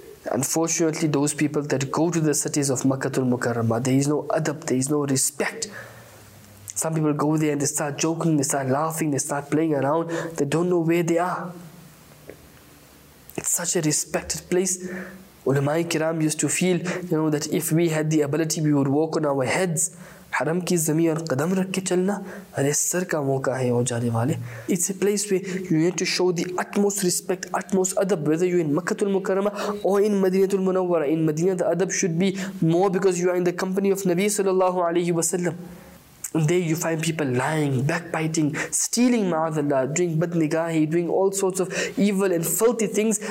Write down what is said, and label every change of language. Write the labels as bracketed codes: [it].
[en] Unfortunately, those people that go to the cities of Makkah al-Mukarramah, there is no adab, there is no respect. Some people go there and they start joking, they start laughing, they start playing around. They don't know where they are. It's such a respected place. Ulama-i kiram used to feel, you know, that if we had the ability, we would walk on our heads. [ur] حرم کی زمین اور قدم رکھ کے چلنا ارے سر کا موقع ہے وہ جانے والے. [en] It's a place where you need to show the utmost respect, utmost adab, whether you're in Makkah al-Mukarramah or in Madinah al-Munawwarah. In Madinah, the adab should be more because you are in the company of Nabi sallallahu alayhi wa sallam. There you find people lying, backbiting, stealing, ma'adallah, doing badnigahi, doing all sorts of evil and filthy things.